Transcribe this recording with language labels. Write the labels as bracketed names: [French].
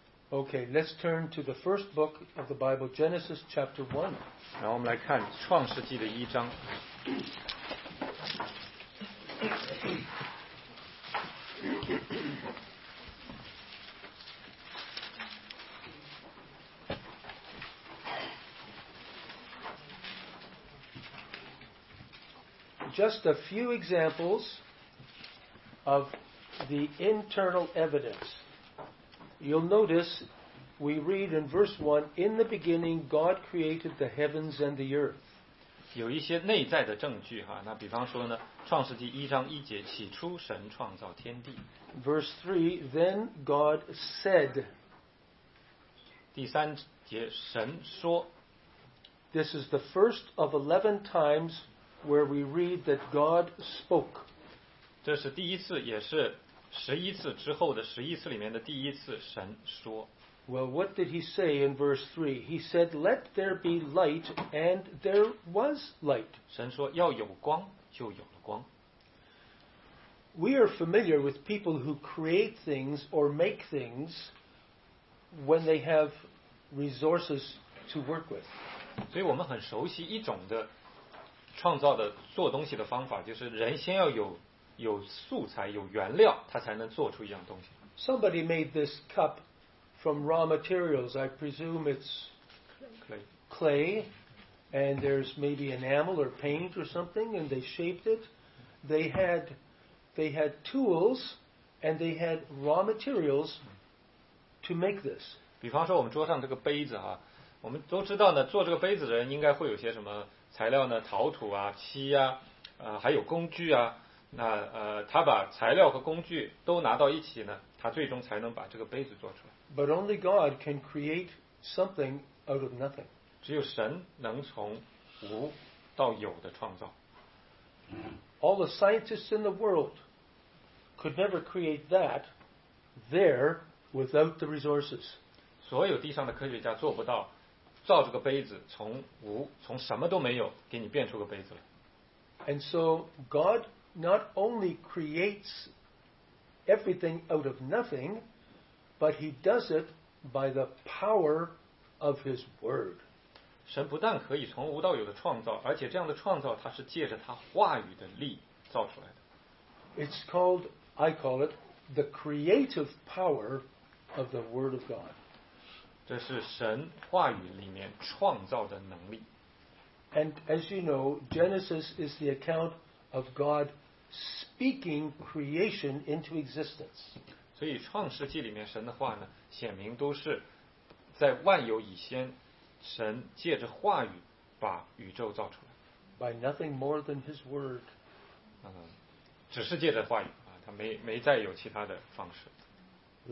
[English] Okay, let's turn to the first book of the Bible, Genesis chapter 1. [Chinese] 然后我们来看创世纪的一章。 [English] Just a few examples of the internal evidence. You'll notice we read in verse 1, In the beginning God created the heavens and the earth. [Chinese] 有一些内在的证据哈，那比方说呢，创世纪一章一节，起初神创造天地。 [English] Verse 3, Then God said. [Chinese] 第三节，神说。 [English] This is the first of 11 times where we read that God spoke. [Chinese] 这是第一次，也是十一次之后的十一次里面的第一次神说。 [English] Well, what did he say in verse 3? He said, let there be light, and there was light. [Chinese] 神说要有光，就有了光。 [English] We are familiar with people who create things or make things when they have resources to work with. [Chinese] 所以我们很熟悉一种的创造的做东西的方法，就是人先要有素材，有原料，他才能做出一样东西。 [English] Somebody made this cup from raw materials. I presume it's clay, and there's maybe enamel or paint or something, and they shaped it. They had tools, and they had raw materials to make this. [Chinese] 比方说我们桌上这个杯子哈，我们都知道呢，做这个杯子的人应该会有些什么材料呢，陶土啊，漆啊，还有工具啊，那他把材料和工具都拿到一起呢，他最终才能把这个杯子做出来。 [English] But only God can create something out of nothing. [Chinese] 只有神能从无到有的创造。 [English] All the scientists in the world could never create that there without the resources. [Chinese] 所有地上的科学家做不到造这个杯子，从无，从什么都没有，给你变出个杯子来。 [English] And so God not only creates everything out of nothing, but He does it by the power of His Word. [Chinese] 神不但可以从无到有的创造，而且这样的创造，它是借着他话语的力造出来的。 [English] It's called, I call it, the creative power of the Word of God. [Chinese] 这是神话语里面创造的能力。 [English] And as you know, Genesis is the account of God speaking creation into existence. [Chinese] 所以创世纪里面神的话呢，显明都是在万有以先，神借着话语把宇宙造出来。 [English] By nothing more than His word. [Chinese] 只是借着话语啊，他没再有其他的方式。